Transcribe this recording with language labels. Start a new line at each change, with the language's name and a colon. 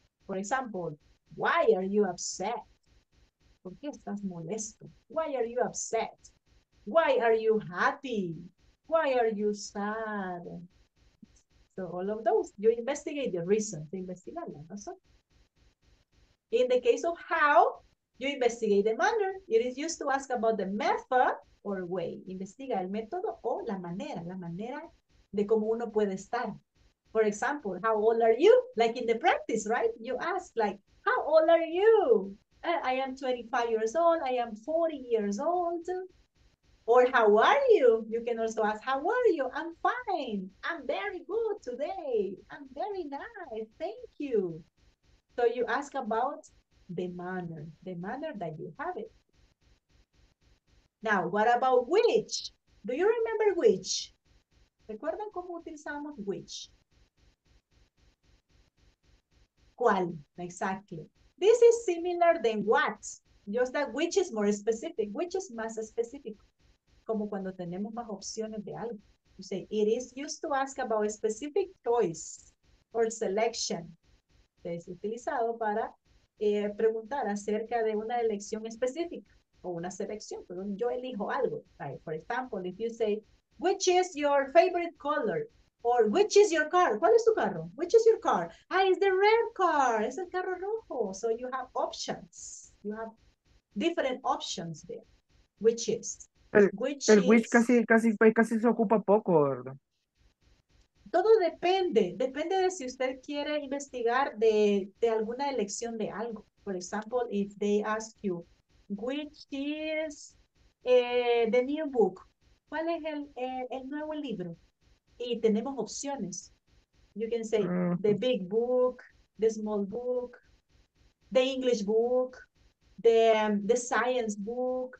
English: For example, why are you upset?
Spanish: ¿Por qué estás molesto?
English: Why are you upset? Why are you happy? why are you sad? So all of those, you investigate the reason. In the case of how, you investigate the manner. It is used to ask about the method or way.
Spanish: Investiga el método o la manera de cómo uno puede estar.
English: For example, how old are you? Like in the practice, right? You ask like, how old are you? I am 25 years old. I am 40 years old. Or how are you? You can also ask, how are you? I'm fine. I'm very good today. I'm very nice. Thank you. So you ask about the manner that you have it. Now, what about which? Do you remember which?
Spanish: ¿Recuerdan cómo utilizamos which? ¿Cuál?
English: Exactly. This is similar than what. Just that which is more specific. Which is
Spanish: más específico. Como cuando tenemos más opciones de algo.
English: You say, it is used to ask about a specific choice or selection.
Spanish: Es utilizado para preguntar acerca de una elección específica o una selección. Pero yo elijo algo.
English: Right? For example, if you say, which is your favorite color? Or which is your car?
Spanish: ¿Cuál es tu carro?
English: Which is your car? Ah, it's the red car.
Spanish: Es el carro rojo.
English: So you have options. You have different options there. Which is?
Spanish: Which casi se ocupa poco, ¿verdad? Todo depende. Depende de si usted quiere investigar de alguna elección de algo.
English: For example, if they ask you, which is the new book?
Spanish: ¿Cuál es el nuevo libro? Y tenemos opciones.
English: You can say the big book, the small book, the English book, the science book.